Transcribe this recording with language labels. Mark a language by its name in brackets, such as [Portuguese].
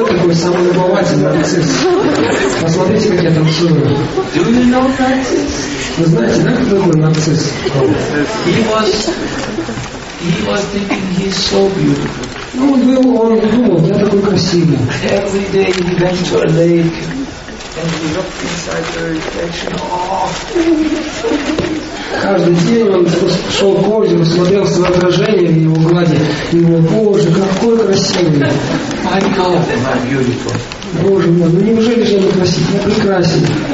[Russian] Посмотрите, как я танцую. [English] Do you know Narcissus? [Russian] Вы знаете, да, кто такой Нарцисс? [English] He was thinking he's so beautiful. [Russian] Ну, он думал, я такой красивый. [English] Every day he went to a lake and he looked inside the reflection. [Russian] Каждый день он шел к озеру, смотрел свое отражение в его глади. И думал, Боже, какой красивый. [English] My God, am I beautiful. [Russian] Боже мой, ну неужели же я прекрасен? Я прекрасен.